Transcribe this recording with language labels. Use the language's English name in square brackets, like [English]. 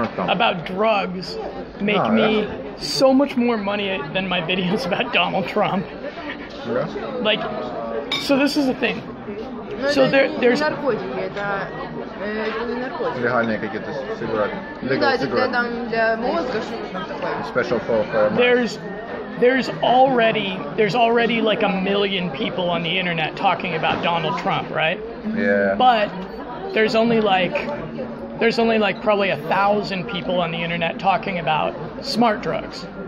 [English] About drugs make me so much more money than my videos about Donald Trump. Yeah. Like, so this is the thing. No, so there's [Russian] наркотики, это наркотики. Легальные какие-то сигареты. Да, это там для мозга что-то такое. [English] Special for There's already like a million people on the internet talking about Donald Trump, right? Yeah. But there's only like probably 1,000 people on the internet talking about smart drugs.